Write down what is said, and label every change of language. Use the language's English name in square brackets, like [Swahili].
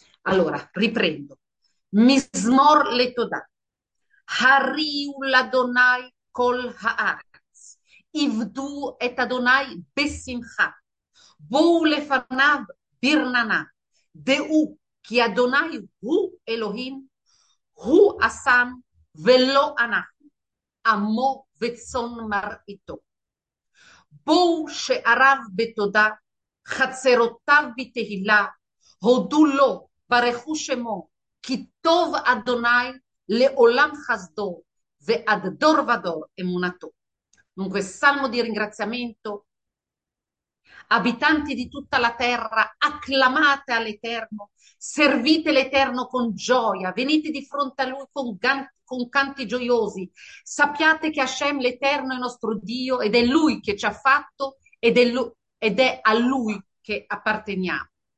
[Italian] Allora, riprendo. [Hebrew] Mismor le Todah, Hariu l'Adonai kol haaretz, Ivdu et Adonai besimcha, Bou lefanav birnana, Deu ki Adonai hu Elohim, hu asam velo anach, עמו וצאן מרעיתו. בואו שעריו בתודה, חצרותיו בתהילה, הודו לו, ברכו שמו, כי טוב אדוני לעולם חסדו, ועד דור ודור אמונתו. [Italian] Dunque, salmo di ringraziamento, abitanti di tutta la terra, acclamate all'Eterno, servite l'Eterno con gioia, venite di fronte a Lui con canti gioiosi. Sappiate che Hashem, l'Eterno, è nostro Dio ed è Lui che ci ha fatto ed è a Lui che apparteniamo.